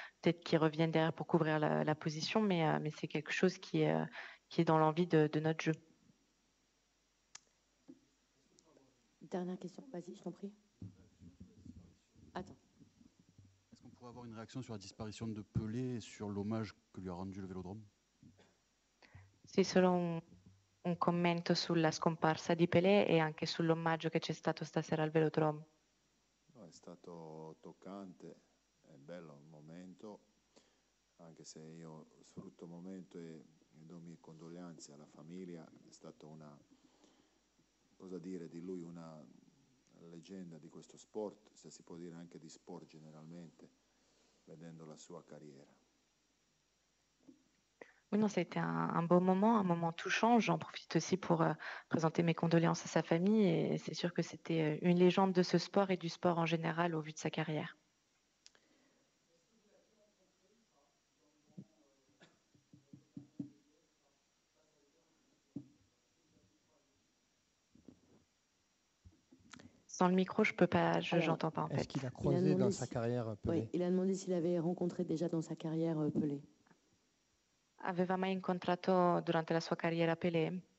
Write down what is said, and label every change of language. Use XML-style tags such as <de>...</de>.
<fr>peut-être qu'ils reviennent derrière pour couvrir la position, mais c'est quelque chose qui est dans l'envie de notre jeu. Dernière question, vas-y, je t'en prie. Attends. Est-ce qu'on pourrait avoir une réaction sur la disparition de Pelé et sur l'hommage que lui a rendu le Vélodrome?</fr> <it>Si, selon un commento sulla scomparsa di Pelé e anche sull'omaggio che c'è stato stasera al Velodrome. No, è stato toccante, è bello il momento, anche se io sfrutto il momento e do mie condoglianze alla famiglia. È stata una, cosa dire di lui, una leggenda di questo sport, se si può dire anche di sport generalmente, vedendo la sua carriera.</it> <fr>Oui, non, ça a été un beau moment, un moment touchant. J'en profite aussi pour présenter mes condoléances à sa famille. Et c'est sûr que c'était une légende de ce sport et du sport en général au vu de sa carrière. Sans le micro, je peux pas, j'entends pas en est-ce fait. Est-ce qu'il a croisé a dans sa carrière Pelé? Oui, il a demandé s'il avait rencontré déjà dans sa carrière Pelé.</fr> <it>Aveva mai incontrato durante la sua carriera Pelé?</it>